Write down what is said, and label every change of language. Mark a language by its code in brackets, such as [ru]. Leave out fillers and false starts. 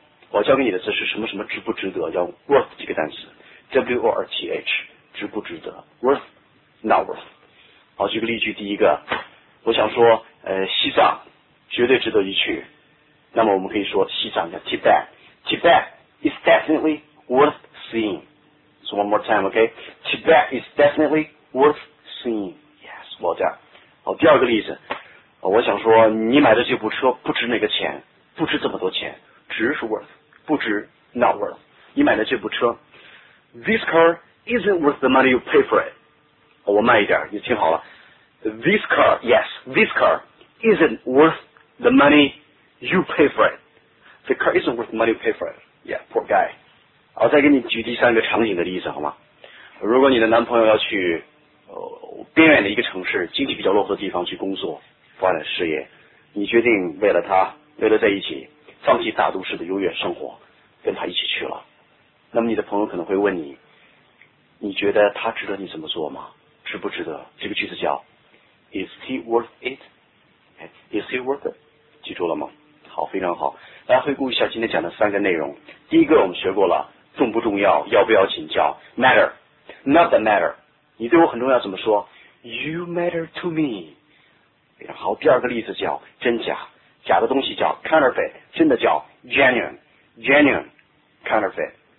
[zh] 我教给你的字是什么什么值不值得，要 worth 几个单词 W-O-R-T-H， 值不值得 worth not worth 好，举个例句，第一个，我想说，西藏绝对值得一去。那么我们可以说，西藏叫 [en] Tibet， Tibet is definitely worth seeing。 So one more time, okay? Tibet is definitely worth seeing. Yes, well done. [zh] 好，第二个例子，我想说，你买的这部车不值那个钱，不值这么多钱，值是 worth， 不值 not worth。你买的这部车 [en] ，this car isn't worth the money you pay for it。 [zh] 我慢一点，你听好了 [en] ，this car, yes, this car isn't worth the money you pay for it. The car isn't worth the money you pay for it. Yeah, poor guy. [zh] 我再给你举第三个场景的例子好吗？如果你的男朋友要去边远的一个城市，经济比较落后的地方去工作发展事业，你决定为了他，为了在一起，放弃大都市的优越生活，跟他一起去了，那么你的朋友可能会问你，你觉得他值得你这么做吗？值不值得？这个句子叫 [en] Is he worth it? Is he worth it? [zh] 记住了吗？好，非常好。来回顾一下今天讲的三个内容。第一个我们学过了，重不重要，要不要紧，叫 matter， not that matter， 你对我很重要怎么说， [en] you matter to me， [zh] 非常好。第二个例子叫真假，假的东西叫 counterfeit， 真的叫 genuine， genuine counterfeit。